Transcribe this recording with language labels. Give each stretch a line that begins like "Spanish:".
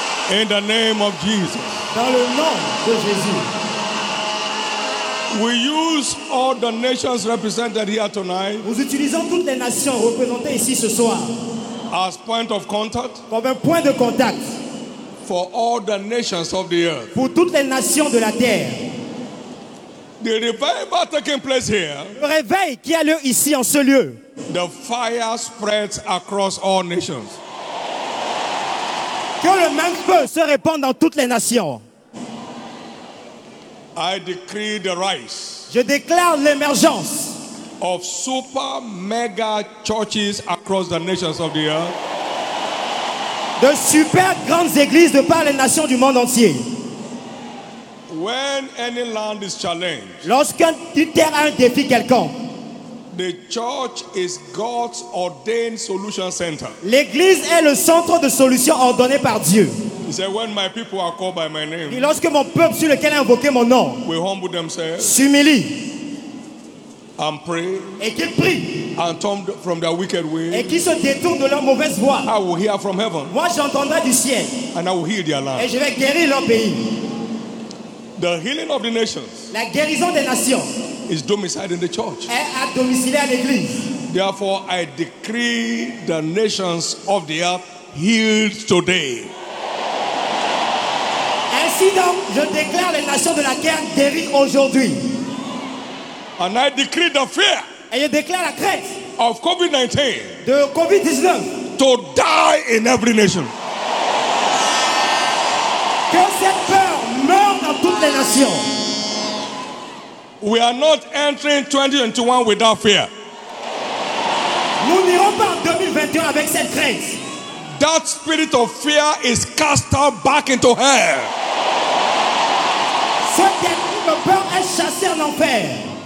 English: In the name of Jesus.
French: Dans le nom de Jésus.
English: We use all the nations represented here tonight.
French: Nous utilisons toutes les nations représentées ici ce soir.
English: As point of contact.
French: Comme un point de contact.
English: For all the nations of the earth.
French: Pour toutes les nations de la terre.
English: The revival taking place here.
French: Le réveil qui a lieu ici en ce lieu.
English: The fire spreads across all nations.
French: Que le même feu se répande dans toutes les nations.
English: I decree the rise.
French: Je déclare l'émergence.
English: Of super mega churches across the nations of the earth.
French: De super grandes églises de par les nations du monde entier.
English: When any land is challenged.
French: Lorsqu'une terre a un défi quelconque.
English: The church is God's ordained solution center.
French: L'église est le centre de solution ordonné par Dieu.
English: He said, "When my people are called by my name."
French: Et lorsque mon peuple sur lequel a invoqué mon nom.
English: We humble themselves.
French: S'humilie.
English: And pray.
French: Et qu'il prie.
English: And turn from their wicked way.
French: Et qu'il se détourne de leur mauvaise voie.
English: I will hear from heaven.
French: Moi j'entendrai du ciel.
English: And I will heal their land.
French: Et je vais guérir leur pays.
English: The healing of the nations.
French: La guérison des nations.
English: Is domiciled in the church.
French: Est à domicilé à l'église.
English: Therefore, I decree the nations of the earth healed today.
French: Ainsi donc, je déclare les nations de la terre guéries aujourd'hui.
English: And I decree the fear.
French: Et je déclare la crainte.
English: Of COVID-19.
French: De COVID-19.
English: To die in every nation.
French: Que cette peur meure dans toutes les nations.
English: We are not entering 2021 without fear.
French: Nous n'irons pas en 2021 avec cette crainte.
English: That spirit of fear is cast out back into hell.
French: Cette esprit de peur est chassé en enfer.